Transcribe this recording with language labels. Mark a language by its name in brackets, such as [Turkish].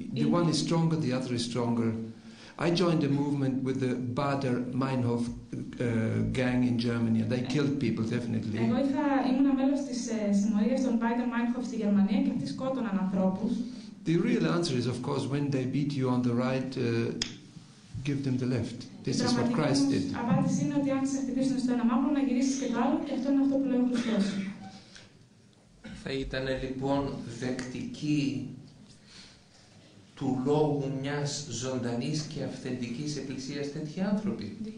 [English] The one is stronger, the other is stronger. I joined a movement with the Bader Meinhof gang in Germany, and they killed people, definitely. [Greek] Εγώ ήμουν μέλος της συμμορίας των Bader Meinhof στη Γερμανία και αυτοί σκότωναν ανθρώπους. [English] The real answer is, of course, when they beat you on the right, give them the left. This is what Christ did. [Greek] Η απάντηση είναι ότι αν σε χτυπήσουν στο ένα μάγουλο, να γυρίσεις και το άλλο, και αυτό είναι αυτό που λέει ο Χριστός. Θα ήταν λοιπόν δεκτική του λόγου μιας ζωντανής και αυθεντικής εκκλησίας τέτοιοι άνθρωποι.